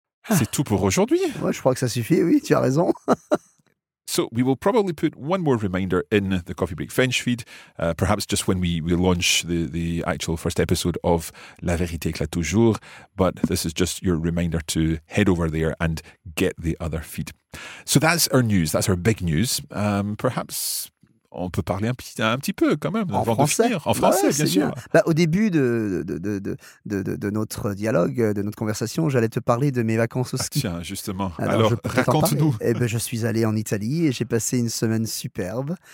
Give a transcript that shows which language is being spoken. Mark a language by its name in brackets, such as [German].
[French] C'est tout pour aujourd'hui. Ouais, je crois que ça suffit, oui, tu as raison. [English] So we will probably put one more reminder in the Coffee Break French feed, perhaps just when we launch the actual first episode of La Vérité Éclate Toujours, but this is just your reminder to head over there and get the other feed. So that's our news, that's our big news. Perhaps [French] on peut parler un petit peu quand même en français. En français, ouais, bien sûr. Bah, au début de notre dialogue, de notre conversation, j'allais te parler de mes vacances au ski. Ah, tiens, justement. Alors raconte-nous. Eh ben, je suis allé en Italie et j'ai passé une semaine superbe.